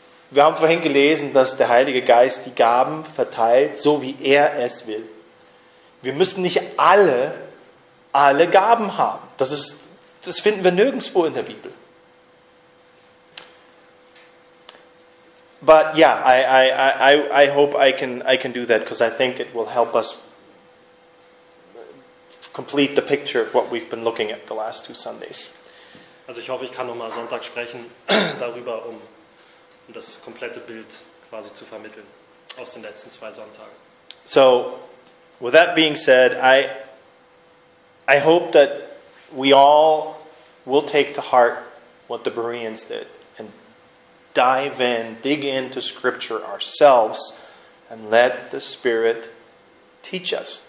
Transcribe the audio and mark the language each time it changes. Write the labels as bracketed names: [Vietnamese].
[German] Wir haben vorhin gelesen, dass der Heilige Geist die Gaben verteilt, so wie er es will. Wir müssen nicht alle Gaben haben. Das finden wir nirgendwo in der Bibel. [English] But yeah, I hope I can do that, because I think it will help us complete the picture of what we've been looking at the last two Sundays. [German] Also ich hoffe, ich kann nochmal Sonntag sprechen darüber, um das komplette Bild quasi zu vermitteln aus den letzten zwei Sonntagen. [English] So, with that being said, I hope that we all will take to heart what the Bereans did and dive in, dig into Scripture ourselves and let the Spirit teach us.